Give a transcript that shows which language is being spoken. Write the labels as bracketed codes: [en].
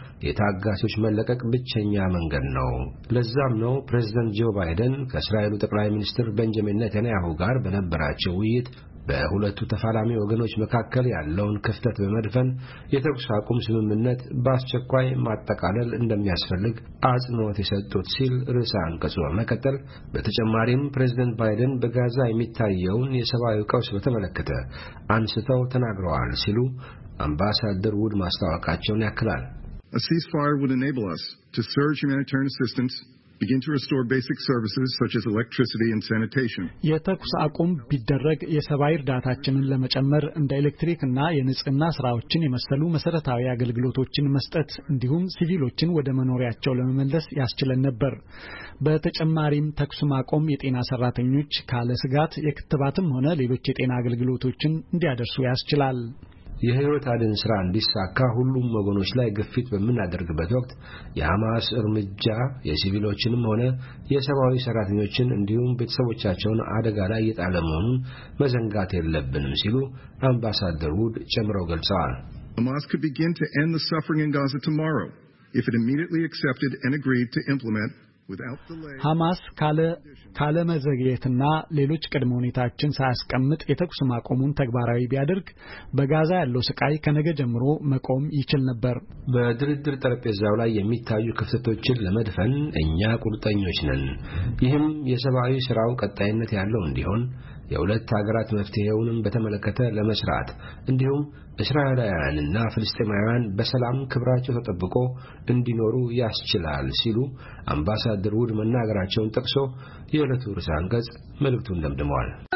[am] የታጋቾች መለቀቅ ብቸኛ መንገድ ነው። ለዛም ነው ፕሬዝዳንት ጆ ባይደን ከእስራኤሉ ጠቅላይ ሚኒስትር ቤንጃሚን ነታንያሁ ጋር በነበራቸው ውይይት በሁለቱ ተፋላሚ ወገኖች መካከል ያለውን ክፍተት በመድፈን የተኩስ አቁም ስምምነት በአስቸኳይ ማጠቃለል እንደሚያስፈልግ አጽንኦት የሰጡት ሲል ርዕሰ አንቀጹ በመቀጠል በተጨማሪም ፕሬዝዳንት ባይደን በጋዛ የሚታየውን የሰብአዊ ቀውስ በተመለከተ አንስተው ተናግረዋል ሲሉ አምባሳደር ውድ ማስታወቃቸውን ያክላል። [en] A ceasefire would enable us to surge humanitarian assistance, begin to restore basic services such as electricity and sanitation. [am] የተኩስ አቁም ቢደረግ የሰብአዊ እርዳታችንን ለመጨመር እንደ ኤሌክትሪክና የንጽህና ስራዎችን የመሰሉ መሰረታዊ አገልግሎቶችን መስጠት እንዲሁም ሲቪሎችን ወደ መኖሪያቸው ለመመለስ ያስችለን ነበር። በተጨማሪም ተኩስ ማቆም የጤና ሰራተኞች ካለ ስጋት የክትባትም ሆነ ሌሎች የጤና አገልግሎቶችን እንዲያደርሱ ያስችላል። የህይወት አድን ስራ እንዲሳካ ሁሉም ወገኖች ላይ ግፊት በሚያደርግበት ወቅት የሐማስ እርምጃ የሲቪሎችንም ሆነ የሰብአዊ ሰራተኞችን እንዲሁም ቤተሰቦቻቸውን አደጋ ላይ የጣለ መሆኑን መዘንጋት የለብንም ሲሉ አምባሳደር ውድ ጨምረው ገልጸዋል። [en] Hamas could begin to end the suffering in Gaza tomorrow if it immediately accepted and agreed to implement [am] ሐማስ ካለ መዘግየትና ሌሎች ቅድመ ሁኔታዎችን ሳያስቀምጥ የተኩስ ማቆሙን ተግባራዊ ቢያደርግ በጋዛ ያለው ስቃይ ከነገ ጀምሮ መቆም ይችል ነበር። በድርድር ጠረጴዛው ላይ የሚታዩ ክፍተቶችን ለመድፈን እኛ ቁርጠኞች ነን። ይህም የሰብአዊ ስራው ቀጣይነት ያለው እንዲሆን የሁለት ሀገራት መፍትሄውንም በተመለከተ ለመስራት እንዲሁም እስራኤላውያንና ፍልስጤማውያን በሰላም ክብራቸው ተጠብቆ እንዲኖሩ ያስችላል ሲሉ አምባሳደር ውድ መናገራቸውን ጠቅሶ የዕለቱ ርዕሰ አንቀጽ መልእክቱን ደምድመዋል።